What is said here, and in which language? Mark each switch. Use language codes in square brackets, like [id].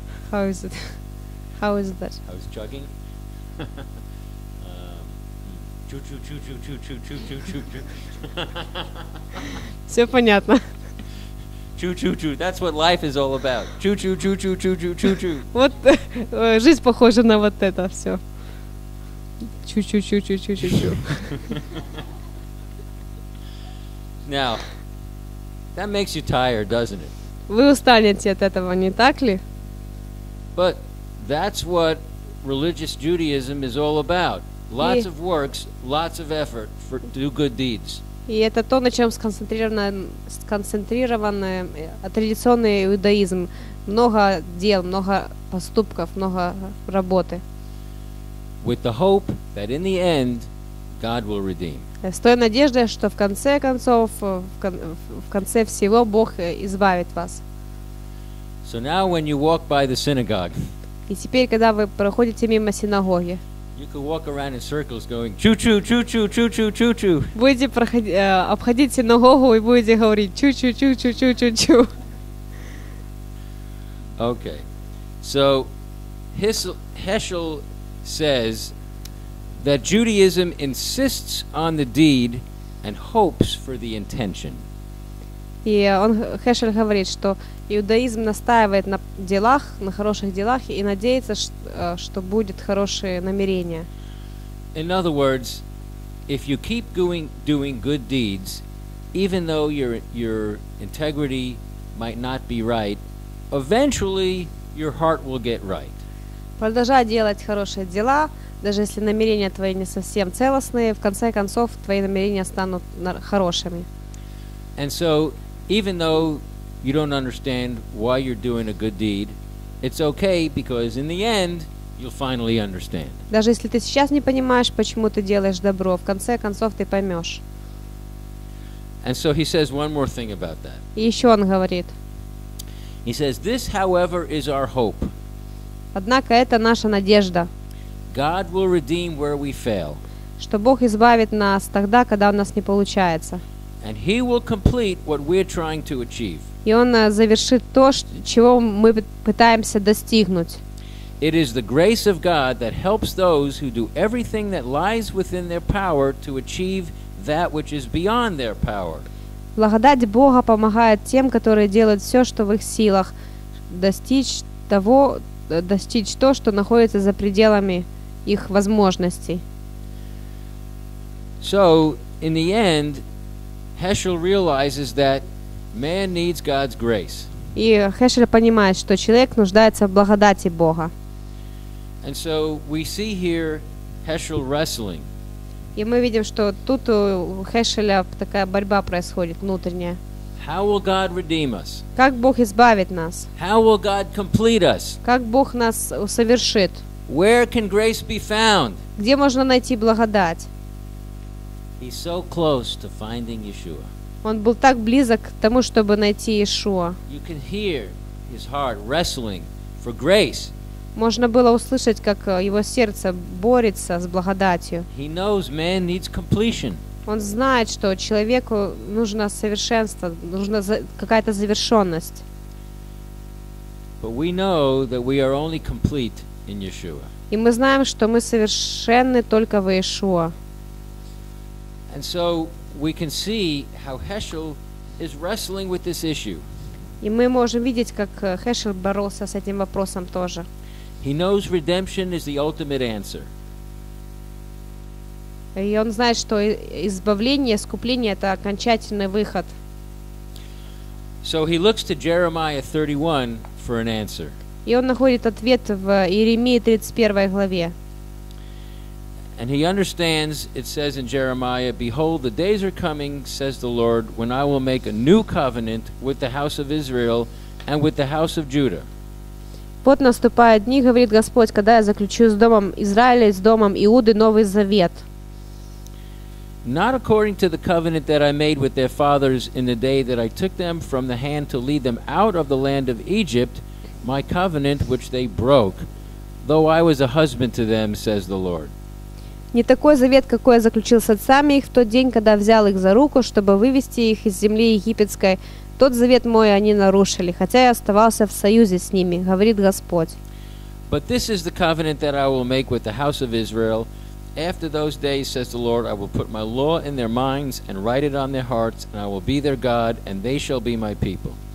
[en] How is it? How is that? I was chugging. Choo choo choo choo choo choo choo choo choo choo. [ru] Все понятно. Choo choo choo. [en] That's what life is all about. Choo choo choo choo choo choo choo choo. [ru] Вот жизнь похожа на вот это все. Choo choo choo choo choo choo choo. [en] Now, that makes you tired, doesn't it? [ru] Вы устанете от этого, не так ли? [en] But that's what religious Judaism is all about. Lots of works, lots of effort for do good deeds. [ru] И это то, на чем сконцентрирован традиционный иудаизм. Много дел, много поступков, много работы. [en] With the hope that in the end God will redeem. [ru] С той надеждой, что в конце концов, в конце всего Бог избавит вас. [en] So now when you walk by the synagogue. [ru] И теперь, когда вы проходите мимо синагоги, [en] you could walk around in circles going choo-choo, choo-choo, choo-choo, choo-choo. [ru] Будете обходить синагогу и будете говорить choo-choo, choo-choo, choo-choo, choo-choo. [en] Okay. So, Heschel says that Judaism insists on the deed and hopes for the intention. [ru] И он, Хешель, говорит, что иудаизм настаивает на делах, на хороших делах и надеется, что будет хорошее намерение. [en] In other words, if you keep doing good deeds, even though your integrity might not be right, eventually your heart will get right. [ru] Продолжай делать хорошие дела, даже если намерения твои не совсем целостные, в конце концов твои намерения станут хорошими. [en] And so, even though you don't understand why you're doing a good deed, it's okay because in the end you'll finally understand. [ru] Даже если ты сейчас не понимаешь, почему ты делаешь добро, в конце концов ты поймешь. [en] And so he says one more thing about that. [ru] И еще он говорит. [en] He says this, however, is our hope. [ru] Однако это наша надежда. [en] God will redeem where we fail. [ru] Что Бог избавит нас тогда, когда у нас не получается. [en] And he will complete what we're trying to achieve. [ru] И он завершит то, чего мы пытаемся достигнуть. [en] It is the grace of God that helps those who do everything that lies within their power to achieve that which is beyond their power. [ru] Благодать Бога помогает тем, которые делают все, что в их силах, достичь то, что находится за пределами их возможностей. [en] So, in the end, Heschel realizes that man needs God's grace. [ru] И Хешель понимает, что человек нуждается в благодати Бога. [en] And so we see here Heschel wrestling. [ru] И мы видим, что тут у Хешеля такая борьба происходит внутренняя. [en] How will God redeem us? [ru] Как Бог избавит нас? [en] How will God complete us? [ru] Как Бог нас совершит? [en] Where can grace be found? [ru] Где можно найти благодать? [en] He's so close to finding Yeshua. [ru] Он был так близок к тому, чтобы найти Иешуа. [en] You can hear his heart wrestling for grace. [ru] Можно было услышать, как его сердце борется с благодатью. [en] He knows man needs completion. [ru] Он знает, что человеку нужно совершенство, нужна какая-то завершенность. [en] But we know that we are only complete in Yeshua. [ru] И мы знаем, что мы совершенны только в Иешуа. [en] And so we can see how Heschel is wrestling with this issue. [ru] И мы можем видеть, как Хешел боролся с этим вопросом тоже. [en] He knows redemption is the ultimate answer. [ru] И он знает, что избавление, искупление — это окончательный выход. [en] So he looks to Jeremiah 31 for an answer. [ru] И он находит ответ в Иеремии 31 главе. [en] And he understands, it says in Jeremiah, Behold, the days are coming, says the Lord, when I will make a new covenant with the house of Israel and with the house of Judah. [ru] Вот наступают дни, говорит Господь, когда я заключу с домом Израиля и с домом Иуды новый завет. [en] Not according to the covenant that I made with their fathers in the day that I took them from the hand to lead them out of the land of Egypt, my covenant which they broke, though I was a husband to them, says the Lord. [ru] Не такой завет, какой я заключил с отцами их в тот день, когда взял их за руку, чтобы вывести их из земли египетской. Тот завет мой они нарушили, хотя я оставался в союзе с ними, говорит Господь. [en] But this is the covenant that I will make with the house of Israel. After those days, says the Lord, I will put my law in their minds and write it on their hearts, and I will be their God, and they shall be my people.